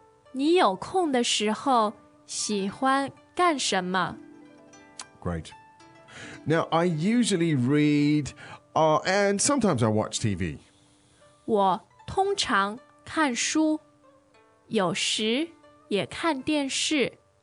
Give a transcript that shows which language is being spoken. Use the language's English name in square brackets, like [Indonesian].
[Chinese] 你有空的时候喜欢干什么? [English] Great. Now, I usually read and sometimes I watch TV. [Chinese] 我通常看书,有时也看电视。